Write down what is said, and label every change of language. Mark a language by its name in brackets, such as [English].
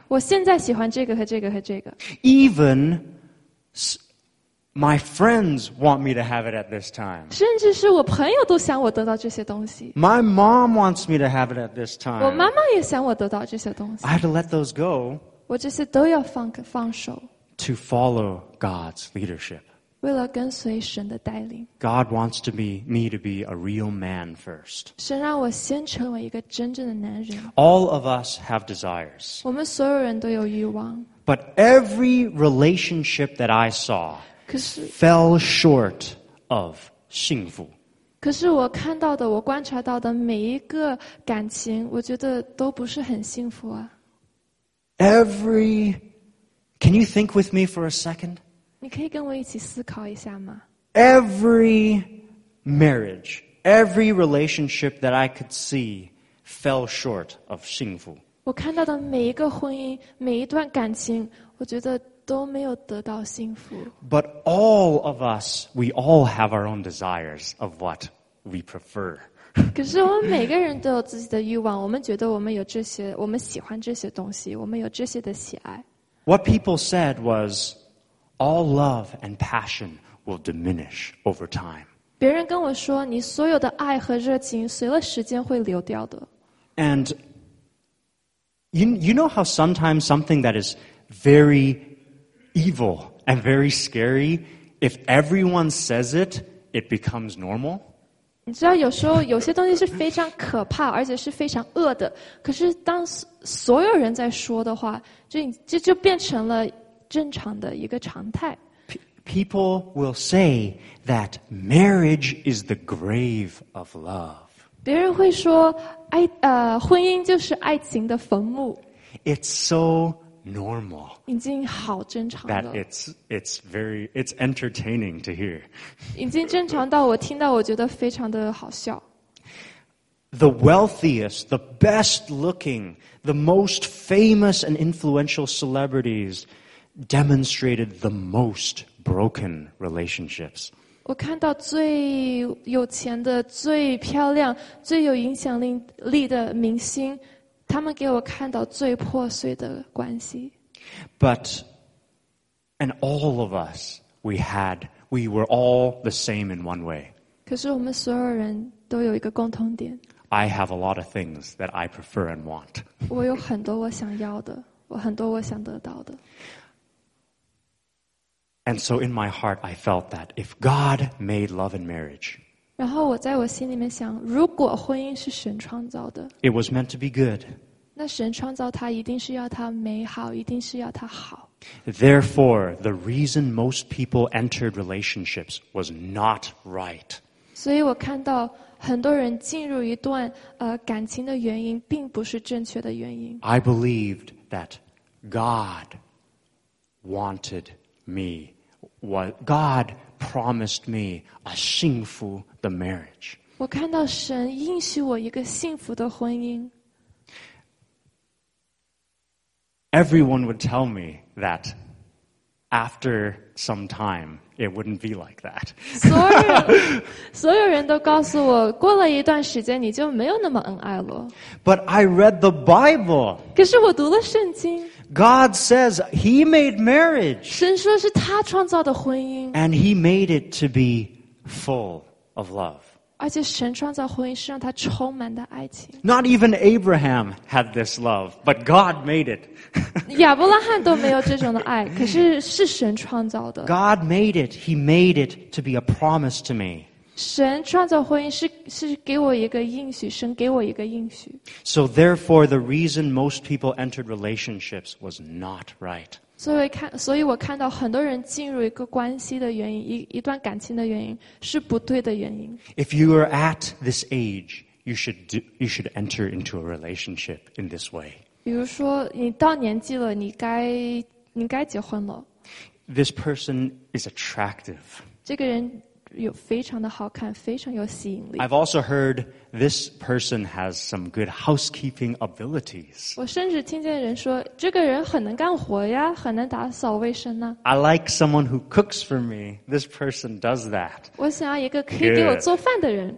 [Chinese] 我现在喜欢这个和这个和这个。 [English] Even my friends want me to have it at this time. [Chinese] 甚至是我朋友都想我得到这些东西。 [English] My mom wants me to have it at this time. [Chinese] 我妈妈也想我得到这些东西。 [English] I have to let those go. [Chinese] 我这些都要放手。 [English] To follow God's leadership. [Chinese] 为了跟随神的带领。 [English] God wants to be me to be a real man first. [Chinese] 神让我先成为一个真正的男人。 [English] All of us have desires. [Chinese] 我们所有人都有欲望。 [English] But every relationship that I saw fell short of 幸福。 [Chinese] 可是我看到的，我观察到的每一个感情，我觉得都不是很幸福啊。 [English] Can you think with me for a second? [Chinese] 你可以跟我一起思考一下吗? [English] Every marriage, every relationship that I could see fell short of 幸福。 [Chinese] 我看到的每一个婚姻，每一段感情，我觉得都没有得到幸福。 [English] But all of us, we all have our own desires of what we prefer. [Chinese] 可是我们每个人都有自己的欲望，我们觉得我们有这些，我们喜欢这些东西，我们有这些的喜爱。 [English] What people said was, all love and passion will diminish over time. [Chinese] 别人跟我说，你所有的爱和热情随了时间会流掉的。 [English] And you know how sometimes something that is very evil and very scary, if everyone says it, it becomes normal? [Chinese] 你知道有时候有些东西是非常可怕，而且是非常恶的，可是当所有人在说的话，就变成了正常的一个常态。 [English] People will say that marriage is the grave of love. [Chinese] 别人会说爱婚姻就是爱情的坟墓。 [English] It's so normal. [Chinese] 已经好正常了。 [English] That it's entertaining to hear. [Chinese] 已经正常到我听到我觉得非常的好笑。 [English] The wealthiest, the best-looking, the most famous and influential celebrities demonstrated the most broken relationships. [Chinese] 我看到最有钱的、最漂亮、最有影响力的明星，他们给我看到最破碎的关系。 [English] But, and all of us, we were all the same in one way. [Chinese] 可是我们所有人都有一个共同点。 [English] I have a lot of things that I prefer and want. [Chinese] 我有很多我想要的，我很多我想得到的。 [English] And so in my heart, I felt that if God made love and marriage, [Chinese] 然后我在我心里面想，如果婚姻是神创造的， [English] it was meant to be good. [Chinese] 那神创造它一定是要它美好，一定是要它好。 [English] Therefore, the reason most people entered relationships was not right. [Chinese] 所以我看到很多人进入一段感情的原因并不是正确的原因。 [English] I believed that God wanted me, God promised me a 幸福的 marriage. [Chinese] 我看到神应许我一个幸福的婚姻。 [English] Everyone would tell me that after some time,It wouldn't be like that. [Chinese] 所有人都告诉我，过了一段时间，你就没有那么恩爱了。 [English] But I read the Bible. [Chinese] 可是我读了圣经。 [English] God says He made marriage. [Chinese] 神说是他创造的婚姻。 [English] And He made it to be full of love. [Chinese] 而且神创造婚姻是让他充满的爱情。 [English] Not even Abraham had this love, but God made it. [Chinese] 亚伯拉罕都没有这种的爱，可是是神创造的。 [English] God made it, He made it to be a promise to me. [Chinese] 神创造婚姻是给我一个应许，神给我一个应许。 [English] So therefore, the reason most people entered relationships was not right. [Chinese] 所以我看到很多人进入一个关系的原因，一段感情的原因是不对的原因。 [English] If you are at this age, you should enter into a relationship in this way. [Chinese] 比如说你到年纪了你该结婚了。 [English] This person is attractive. [Chinese] 这个人有非常的好看非常有吸引力。 [English] I've also heard this person has some good housekeeping abilities. [Chinese] 我甚至听见人说这个人很能干活呀很能打扫卫生呢。 [English] I like someone who cooks for me. This person does that. [Chinese] 我想要一个可以给我做饭的人、